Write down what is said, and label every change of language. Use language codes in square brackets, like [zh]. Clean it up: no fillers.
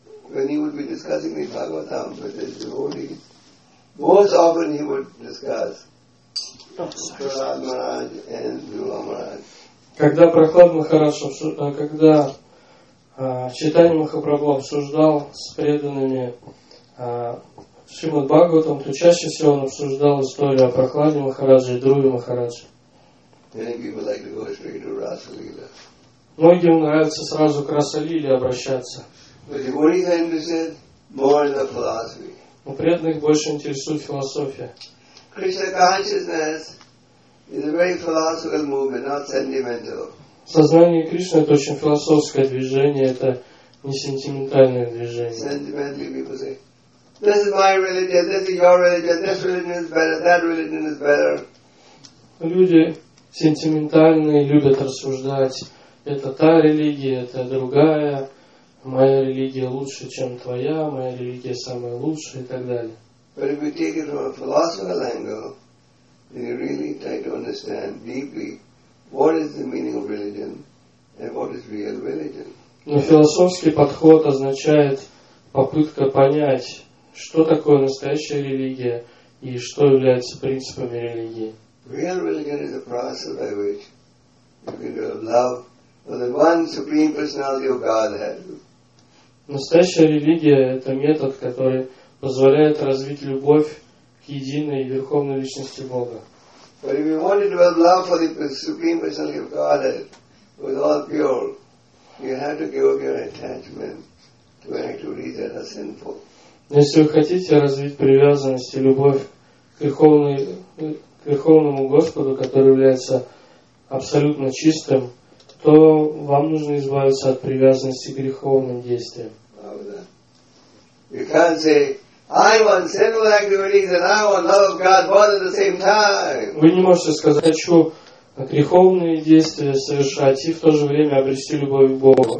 [en] When he would be discussing the Bhagavatam with his devotees, most often he would discuss Prahlad Maharaj and Dhruva Maharaj. [ru] Когда Прохлад Махарадж, когда Чайтанья Махапрабху обсуждал с преданными Шримад Бхагаватам, то чаще всего он обсуждал историю о Прохладе Махарадже и Друве Махарадже. [en] Many people like to go straight to Rasa Lila. [ru] Многим нравится сразу к Раса Лиле обращаться. [en] But what is interested more in the philosophy? [ru] У преданных больше интересует философия. [en] Krishna consciousness is a very philosophical movement, not sentimental. [ru] Сознание Кришны это очень философское движение, это не сентиментальное движение. [en] Sentimental people say, this is my religion, this is your religion, this religion is better, that religion is better. [ru] Люди сентиментальные любят рассуждать, это та религия, это другая. Моя религия лучше, чем твоя, моя религия самая лучшая и так далее. [en] But if you take it from a philosophical angle, then you really try to understand deeply what is the meaning of religion and what is real religion. [ru] Но философский подход означает попытка понять, что такое настоящая религия и что является принципами религии. [en] Real religion is a process by which you can love for the one supreme personality of Godhead. [ru] Настоящая религия – это метод, который позволяет развить любовь к единой и верховной личности Бога. [en] But if you wanted to have love for the Supreme Personality of Godhead, who is all pure, you have to give up your attachment to any two reasons that are sinful. [ru] Если вы хотите развить привязанность и любовь к Верховному Господу, который является абсолютно чистым, то вам нужно избавиться от привязанности к греховным действиям. [en] You can't say, I want sinful activities and I want love of God both at the same time. [ru] Вы не можете сказать, хочу греховные действия совершать и в то же время обрести любовь к Богу.